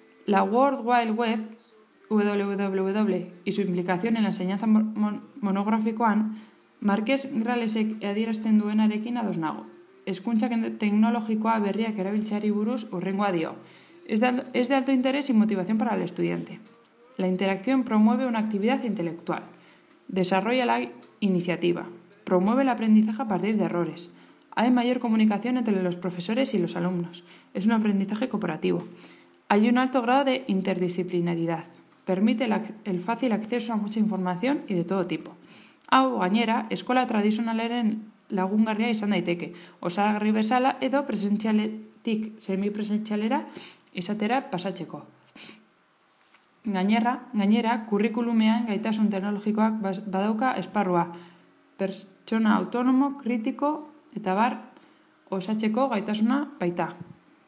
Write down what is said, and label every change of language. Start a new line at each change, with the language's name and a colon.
Spanish: La World Wide Web, www, y su implicación en la enseñanza
Basque: monográficoan, Marques Gralesek adierazten duenarekin ados nago. Hezkuntza teknologikoa berriak erabiltzeari buruz urrengoa dio.
Spanish: Es de alto interés y motivación para el estudiante. La interacción promueve una actividad intelectual. Desarrolla la iniciativa. Promueve el aprendizaje a partir de errores. Hay mayor comunicación entre los profesores y los alumnos. Es un aprendizaje cooperativo. Hay un alto grado de interdisciplinaridad. Permite el fácil acceso a mucha información y de todo tipo.
Basque: Hau, gainera, eskola tradizionalaren lagungarria izan daiteke. Osagarri bezala edo presentzialetik semipresentzialera izatera pasatzeko. Gainera, kurrikulumean gaitasun teknologikoak badauka esparrua. Pertsona autonomo, kritiko eta bar osatzeko gaitasuna baita.